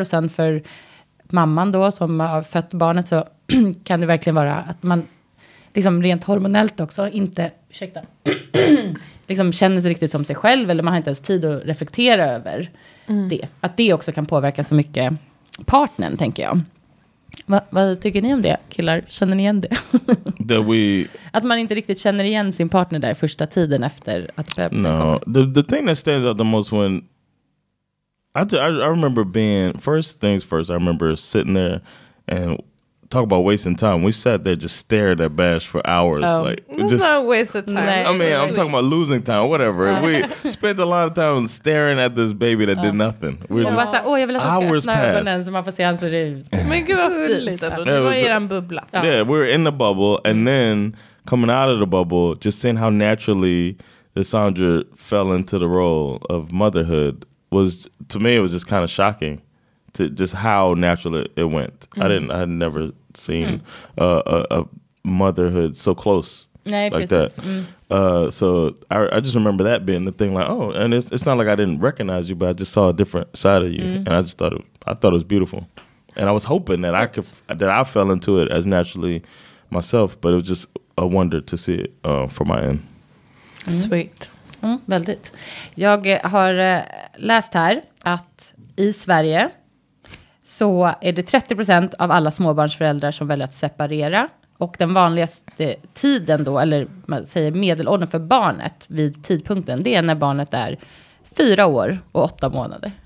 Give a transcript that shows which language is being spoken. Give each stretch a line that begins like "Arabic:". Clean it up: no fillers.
Swedish: Och sen för mamman då som har fött barnet så kan det verkligen vara att man liksom rent hormonellt också inte, ursäkta, liksom känner sig riktigt som sig själv, eller man har inte ens tid att reflektera över det. Att det också kan påverka så mycket partnern, tänker jag. Vad tycker ni om det, killar? Känner ni igen det? Att man inte riktigt känner igen sin partner där första tiden efter att bebisen kommer.
English: No, the thing that stands out the most when... I remember being... First things first, I remember sitting there and talk about wasting time. We sat there just stared at Bash for hours. It's not a waste of time. I mean, I'm talking about losing time, whatever. We spent a lot of time staring at this baby that did nothing. Hours passed.
Swedish: Men gud vad fint. Det var i den bubbla.
English: Yeah, we were in the bubble. And then coming out of the bubble, just seeing how naturally Sandra fell into the role of motherhood was, to me, it was just kind of shocking. To just how natural it went. I had never seen a motherhood so close.
Swedish: Nej,
English: like
Swedish: precis.
English: That. So I just remember that being the thing, like, oh, and it's not like I didn't recognize you, but I just saw a different side of you. And I just thought I thought it was beautiful. And I was hoping that I fell into it as naturally myself, but it was just a wonder to see it from my end. Sweet.
Swedish: Väldigt. Jag har läst här att i Sverige så är det 30% av alla småbarnsföräldrar som väljer att separera. Och den vanligaste tiden då, eller man säger medelåldern för barnet vid tidpunkten, det är när barnet är 4 år och 8 månader.